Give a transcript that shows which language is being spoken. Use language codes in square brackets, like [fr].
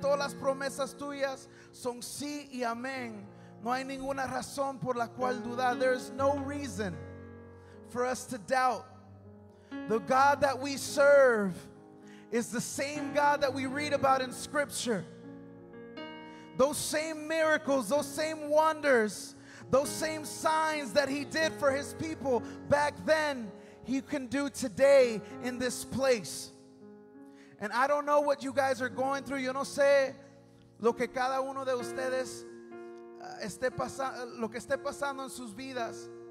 [es] Todas las promesas tuyas son sí y amén. No hay ninguna razón por la cual dudar. [en] There is no reason for us to doubt. The God that we serve is the same God that we read about in Scripture. Those same miracles, those same wonders, those same signs that he did for his people back then, he can do today in this place. And I don't know what you guys are going through. [es] Yo no sé lo que cada uno de ustedes esté pasando, lo que esté pasando en sus vidas.